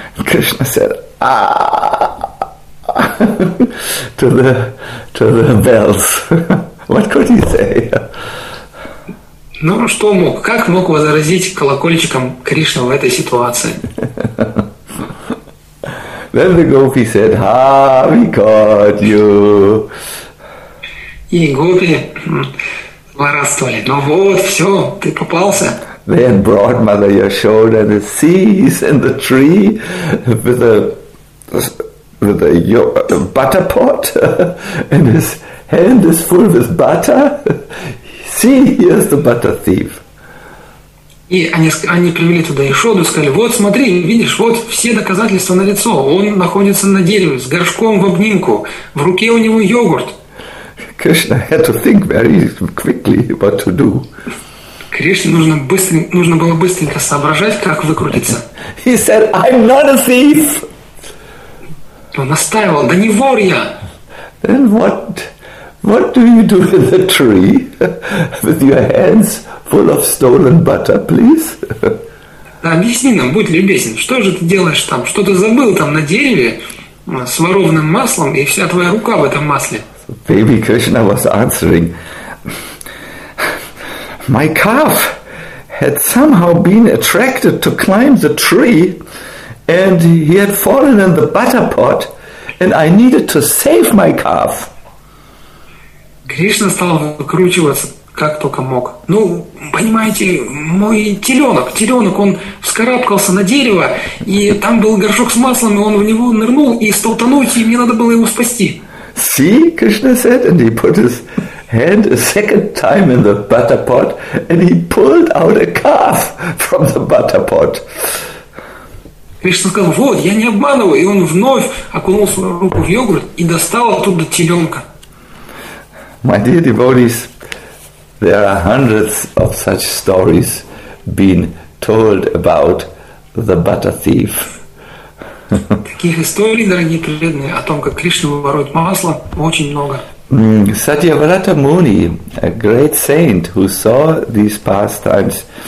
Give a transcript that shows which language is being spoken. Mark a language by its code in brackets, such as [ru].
[en] Krishna said, to the bells. What could he say? [ru] Ну, что мог? Как мог возразить колокольчикам Кришна в этой ситуации? [en] Then the gopi said, ha, we caught you. [ru] И гопи злорадствовали. Ну вот, все, ты попался. [en] They had brought Mother Yashoda and the seas and the tree with a butter pot and his hand is full with butter. See, here's the butter thief. [ru] И они привели туда Яшоду и сказали, вот смотри, видишь, вот все доказательства налицо. Он находится на дереве с горшком в обнимку. В руке у него йогурт. [en] Krishna had to think very quickly what to do. [ru] Кришне нужно было быстренько соображать, как выкрутиться. [en] He said, I'm not a thief. [ru] Он настаивал, да не вор я. [en] Then what do you do with the tree with your hands full of stolen butter, please? [ru] Да, объясни нам, будь любезен, что же ты делаешь там? Что ты забыл там на дереве с ворованным маслом и вся твоя рука в этом масле? [en] Baby Krishna was answering, my calf had somehow been attracted to climb the tree and he had fallen in the butter pot and I needed to save my calf. [ru] Кришна стал выкручиваться как только мог. Ну, понимаете, мой теленок, он вскарабкался на дерево, и там был горшок с маслом, и он в него нырнул и стал тонуть, и мне надо было его спасти. [en] See, Krishna said, and he put his hand a second time in the butter pot, and he pulled out a calf from the butter pot. [ru] Кришна сказал, вот, я не обманываю, и он вновь окунул свою руку в йогурт и достал оттуда теленка. [en] My dear devotees, there are hundreds of such stories being told about the butter thief. [ru] Таких историй, дорогие преданные, о том, как Кришна ворует масло, очень много. [en] Satyavrata Muni, a great saint who saw these pastimes